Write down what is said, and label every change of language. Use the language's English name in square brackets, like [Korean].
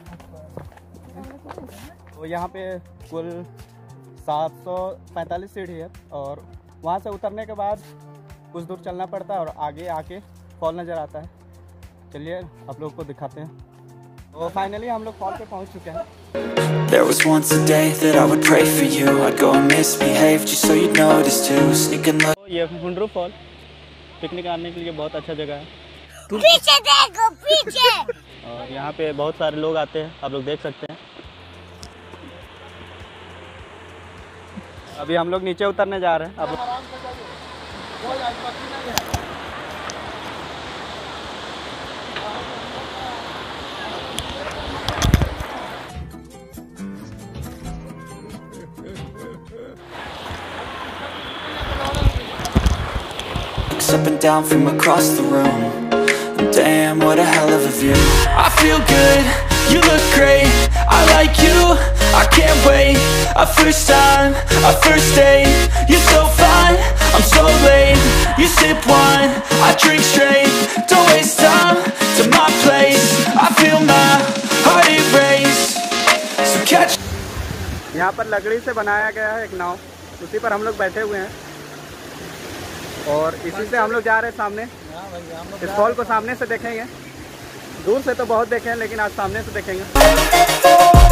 [Hindi] तो यहाँ पे कुल 745 सीढ़ी है और वहाँ से उतरने के बाद कुछ दूर चलना पड़ता है और आगे आके फॉल नज़र आता है। चलिए आप लोगों को दिखाते हैं। तो फाइनली हम लोग फॉल पे पहुँच चुके हैं। [English] There was once a day that I would pray for you. I'd go and misbehave just so you'd notice too. Sneaking like [Hindi] ये हुंडरू फॉल पिकनिक आने के लिए बहुत अच्छा जगह है। पीछे देखो पीछे। और यहाँ पे बहुत सारे लोग आते हैं, आप लोग देख सकते हैं। अभी हम लोग नीचे उतरने जा रहे हैं। अब [English] up and down from across the room. Damn, what a hell of a view. I feel good, you look great. I like you, I can't wait. A first time, a first date. You're so fine, I'm so late. You sip wine, I drink straight. Don't waste time, to my place. I feel my heart erase. So catch. [Hindi] यहाँ पर लकड़ी से बनाया गया है एक नाव, उसी पर हम लोग बैठे हुए हैं और इसी से हम लोग जा रहे हैं सामने। इस फॉल को सामने से देखेंगे, दूर से तो बहुत देखे हैं लेकिन आज सामने से देखेंगे।